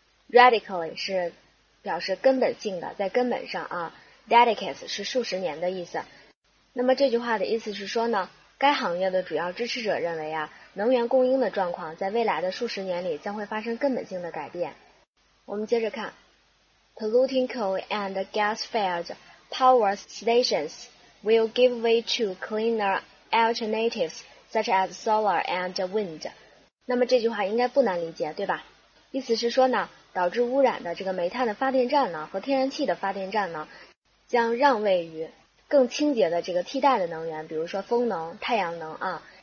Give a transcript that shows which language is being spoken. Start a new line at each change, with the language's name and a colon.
Chinese: Radically 是表示根本性的，在根本上啊， decades 是数十年的意思。那么这句话的意思是说呢，该行业的主要支持者认为啊，能源供应的状况在未来的数十年里将会发生根本性的改变。我们接着看，
English: Polluting coal and gas fieldsPower stations will give way to cleaner alternatives such as solar and wind.
Chinese: 那么这句话应该不难理解，对吧？意思是说呢，导致污染的这个煤炭的发电站呢和天然气的发电站呢，将让位于更清洁的这个替代的能源，比如说风能、太阳能啊。